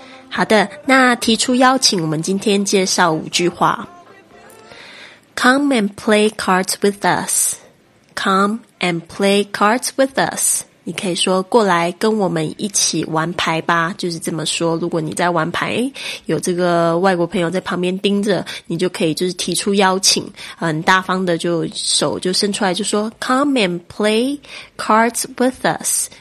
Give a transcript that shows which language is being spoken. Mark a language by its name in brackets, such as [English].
[Chinese] 好的，那提出邀请，我们今天介绍五句话。 [English] Come and play cards with us. Come and play cards with us. [Chinese] 你可以说过来跟我们一起玩牌吧，就是这么说。如果你在玩牌，有这个外国朋友在旁边盯着，你就可以就是提出邀请，很大方的就手就伸出来就说 [English] Come and play cards with us.